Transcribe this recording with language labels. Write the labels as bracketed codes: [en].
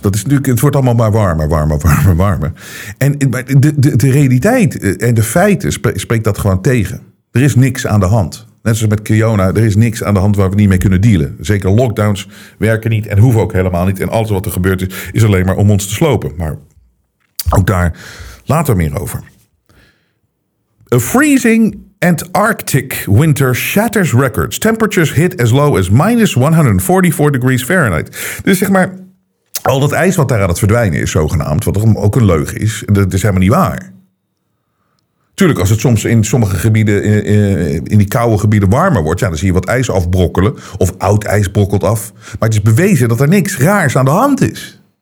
[nl] Dat is natuurlijk, het wordt allemaal maar warmer, warmer, warmer, warmer. En de realiteit en de feiten spreekt dat gewoon tegen. Er is niks aan de hand. Net zoals met Keone, er is niks aan de hand waar we niet mee kunnen dealen. Zeker lockdowns werken niet en hoeven ook helemaal niet. En alles wat er gebeurd is, is alleen maar om ons te slopen. Maar ook daar later meer over. [en] A freezing Antarctic winter shatters records. Temperatures hit as low as minus 144 degrees Fahrenheit. [nl] Dus zeg maar, al dat ijs wat daar aan het verdwijnen is zogenaamd, wat ook een leugen is, dat is helemaal niet waar. Tuurlijk, als het soms in sommige gebieden, in die koude gebieden warmer wordt, ja, dan zie je wat ijs afbrokkelen. Of oud ijs brokkelt af. Maar het is bewezen dat er niks raars aan de hand is.